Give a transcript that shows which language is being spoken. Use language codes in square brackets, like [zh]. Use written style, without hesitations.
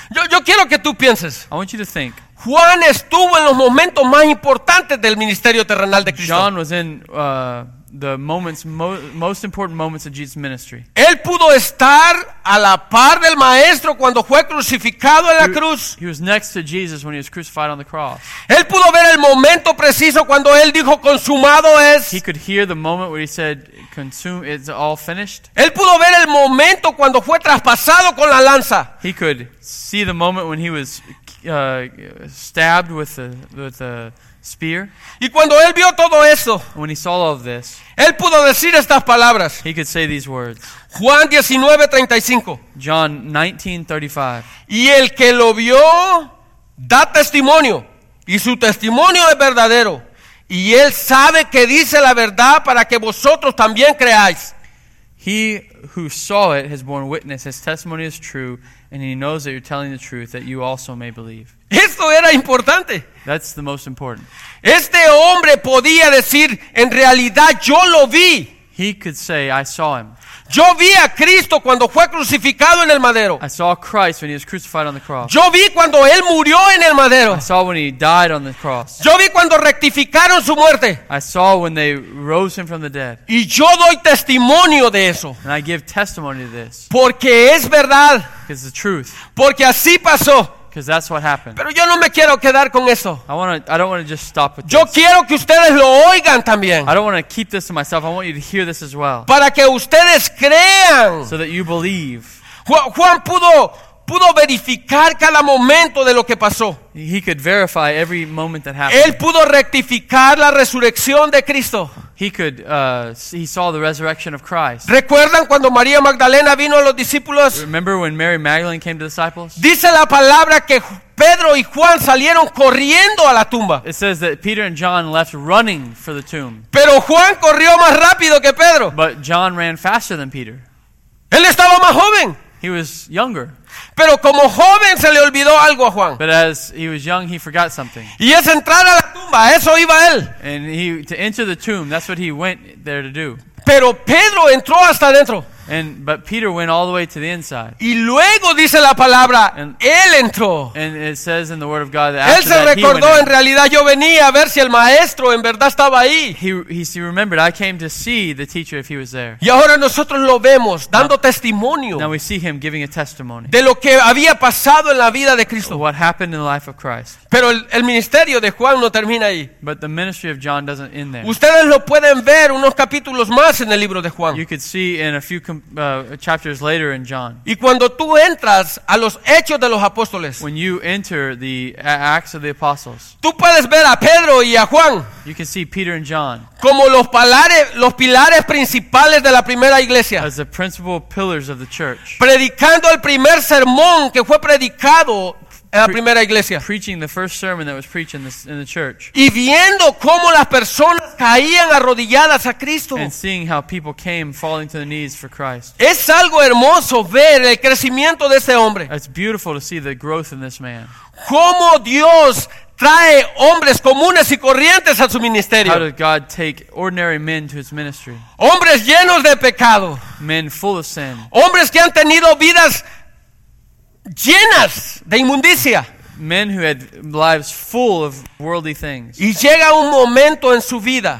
[es] Yo quiero que tú pienses. [en] I want you to think. [es] Juan estuvo en los momentos más importantes del ministerio terrenal de Cristo. [en] John was in the moments most important moments of Jesus' ministry. [es] Él pudo estar a la par del maestro cuando fue crucificado en la cruz. [en] He was next to Jesus when he was crucified on the cross. [es] Él pudo ver el momento preciso cuando él dijo consumado es. [en] He could hear the moment where he said consumed, it's all finished. [es] Él pudo ver el momento cuando fue traspasado con la lanza. [en] He could see the moment when he was stabbed with the spear. [es] Y cuando él vio todo eso, [en] when he saw all of this, [es] él pudo decir estas palabras. [en] He could say these words. [es] Juan 19:35. [en] John 19:35. [es] Y el que lo vio da testimonio, y su testimonio es verdadero, y él sabe que dice la verdad para que vosotros también creáis. [en] He who saw it has borne witness, his testimony is true, and he knows that you're telling the truth, that you also may believe. [es] Esto era importante. [en] That's the most important. [es] Este hombre podía decir, en realidad yo lo vi. [en] He could say, I saw him. [es] Yo vi a Cristo cuando fue crucificado en el madero. [en] I saw Christ when he was crucified on the cross. [es] Yo vi cuando él murió en el madero. [en] I saw when he died on the cross. [es] Yo vi cuando rectificaron su muerte. [en] I saw when they rose him from the dead. [es] Y yo doy testimonio de eso. [en] And I give testimony to this. [es] Porque es verdad. [en] Because it's the truth. [es] Porque así pasó. [en] Because that's what happened. [es] Pero yo no me quiero quedar con eso. [en] I don't want to just stop with [es] yo [en] this. [es] Quiero que ustedes lo oigan también. [en] I don't want to keep this to myself. I want you to hear this as well. [es] Para que ustedes crean. [en] So that you believe. [es] Juan pudo verificar cada momento de lo que pasó. [en] He could verify every moment that happened. [es] Él pudo rectificar la resurrección de Cristo. [en] He saw the resurrection of Christ. [es] ¿Recuerdan cuando María Magdalena vino a los discípulos? [en] Remember when Mary Magdalene came to the disciples? [es] Dice la palabra que Pedro y Juan salieron corriendo a la tumba. [en] It says that Peter and John left running for the tomb. [es] Pero Juan corrió más rápido que Pedro. [en] But John ran faster than Peter. [es] Él estaba más joven. [en] He was younger. [es] Pero como joven se le olvidó algo a Juan. [en] But as he was young, he forgot something. [es] Y es entrar a la tumba, eso iba él. [en] And he to enter the tomb, that's what he went there to do. [es] Pero Pedro entró hasta adentro. [en] But Peter went all the way to the inside. [es] Y luego dice la palabra, él entró. [en] And it says in the word of God that after [es] él se recordó, [en] that [es] en realidad yo venía a ver si el maestro en verdad estaba ahí. [en] He remembered, I came to see the teacher if he was there. [es] Y ahora nosotros lo vemos dando testimonio. [en] Now we see him giving a testimony. [es] De lo que había pasado en la vida de Cristo. [en] What happened in the life of Christ. [es] Pero el ministerio de Juan no termina ahí. [en] But the ministry of John doesn't end there. [es] Ustedes lo pueden ver unos capítulos más en el libro de Juan. [en] You could see in a few chapters later in John. [es] Y cuando tú entras a los hechos de los apóstoles, [en] when you enter the Acts of the Apostles, [es] tú puedes ver a Pedro y a Juan, [en] you can see Peter and John, [es] como los pilares principales de la primera iglesia, [en] as the principal pillars of the church, [es] predicando el primer sermón que fue predicado en la primera iglesia, [en] preaching the first sermon that was preached in the church, [es] y viendo cómo las personas caían arrodilladas a Cristo, [en] and seeing how people came falling to the knees for Christ. [es] Es algo hermoso ver el crecimiento de ese hombre. [en] It's beautiful to see the growth in this man. [es] Cómo Dios trae hombres comunes y corrientes a su ministerio. [en] How did God take ordinary men to his ministry? [es] Hombres llenos de pecado. [en] Men full of sin. [es] Hombres que han tenido vidas llenas de inmundicia. [en] Men who had lives full of worldly things. [es] Y llega un momento en su vida.